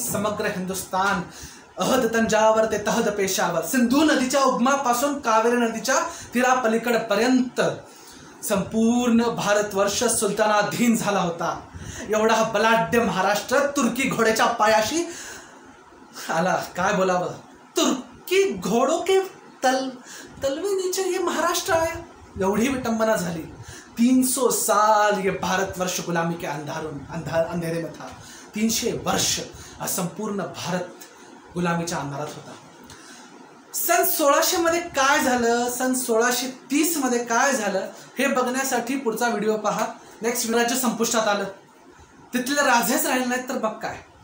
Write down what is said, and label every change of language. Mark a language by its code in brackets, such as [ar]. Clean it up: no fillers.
[mr] समग्र हिंदुस्थान अहद तंजावर ते तहद पेशावर, सिंधू नदीच्या उगमापासून कावेरी नदीच्या तीरापलीकडे पर्यंत संपूर्ण भारतवर्ष सुलतानाधीन झाला होता. एवढा बलाढ्य महाराष्ट्र तुर्की घोड्याच्या पायाशी आला. काय बोलावं, [hi] तुर्की घोडो के तलवी नीचे ये महाराष्ट्र आया. [mr] एवढी विटंबना झाली. [hi] 300 साल ये भारतवर्ष गुलामी के अंधेरे में था. [mr] 300 वर्ष संपूर्ण भारत गुलामीच्या अंधारात होता. सन 1600 मध्ये काय झालं, सन 1630 मध्ये काय झालं हे बघण्यासाठी पुढचा व्हिडिओ पहा. नेक्स्ट राज्य संपुष्टात आलं, तिथले राजेच राहिले नाहीत तर मग काय.